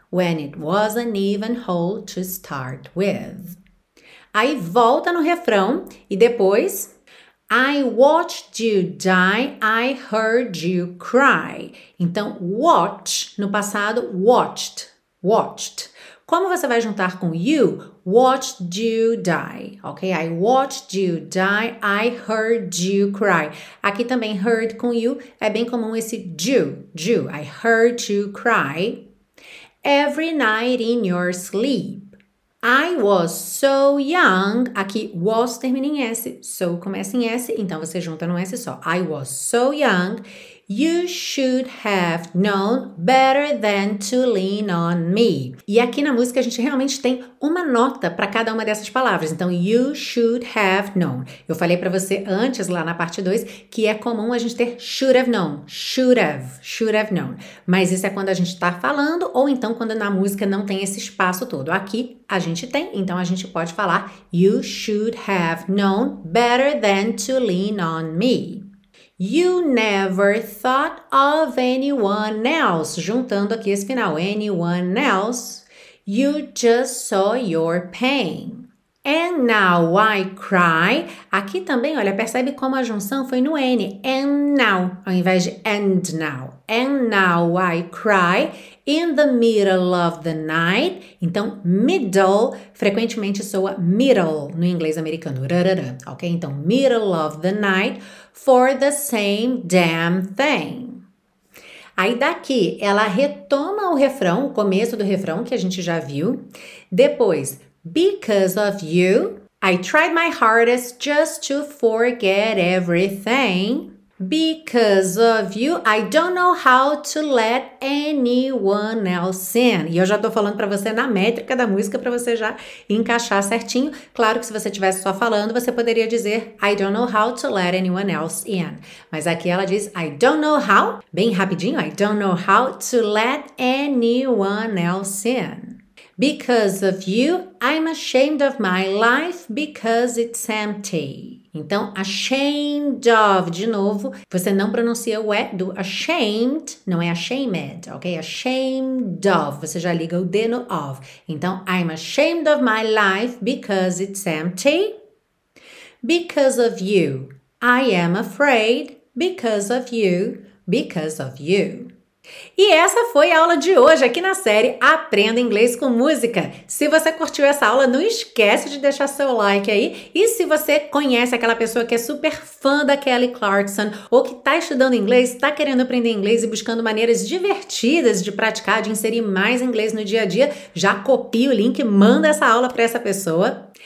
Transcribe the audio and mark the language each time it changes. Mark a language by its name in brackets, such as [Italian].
[English] When it wasn't even whole to start with. [Portuguese] Aí volta no refrão e depois. [English] I watched you die, I heard you cry. [Portuguese] Então, watch no passado, watched. [English] Watched. [Portuguese] Como você vai juntar com you? [English] Watched you die. Ok? I watched you die. I heard you cry. [Portuguese] Aqui também, heard com you é bem comum esse you. [English] You. I heard you cry. Every night in your sleep. I was so young. [Portuguese] Aqui, was termina em S. So começa em S. Então você junta num S só. [English] I was so young. You should have known better than to lean on me. [Portuguese] E aqui na música a gente realmente tem uma nota para cada uma dessas palavras. [English] Então, you should have known. [Portuguese] Eu falei para você antes, lá na parte 2, que é comum a gente ter [English] should have known. Should have known. [Portuguese] Mas isso é quando a gente está falando ou então quando na música não tem esse espaço todo. Aqui a gente tem, então a gente pode falar [English] you should have known better than to lean on me. You never thought of anyone else. [Portuguese] Juntando aqui esse final, [English] anyone else. You just saw your pain. And now I cry. [Portuguese] Aqui também, olha, percebe como a junção foi no N. [English] And now, [Portuguese] ao invés de [English] and now. And now I cry in the middle of the night. [Portuguese] Então, middle frequentemente soa middle no inglês americano. Rarara, ok? [English] Então, middle of the night for the same damn thing. [Portuguese] Aí daqui, ela retoma o refrão, o começo do refrão que a gente já viu. Depois, [English] because of you, I tried my hardest just to forget everything. Because of you, I don't know how to let anyone else in. [Portuguese] E eu já tô falando para você na métrica da música para você já encaixar certinho. Claro que se você estivesse só falando, você poderia dizer [English] I don't know how to let anyone else in. [Portuguese] Mas aqui ela diz [English] I don't know how, [Portuguese] bem rapidinho, [English] I don't know how to let anyone else in. Because of you, I'm ashamed of my life because it's empty. [Portuguese] Então, ashamed of, de novo, você não pronuncia o E do ashamed, não é ashamed, ok? Ashamed of, você já liga o D no of. [English] Então, I'm ashamed of my life because it's empty. Because of you, I am afraid because of you, because of you. [Portuguese] E essa foi a aula de hoje aqui na série Aprenda Inglês com Música. Se você curtiu essa aula, não esquece de deixar seu like aí. E se você conhece aquela pessoa que é super fã da Kelly Clarkson ou que está estudando inglês, está querendo aprender inglês e buscando maneiras divertidas de praticar, de inserir mais inglês no dia a dia, já copia o link e manda essa aula para essa pessoa.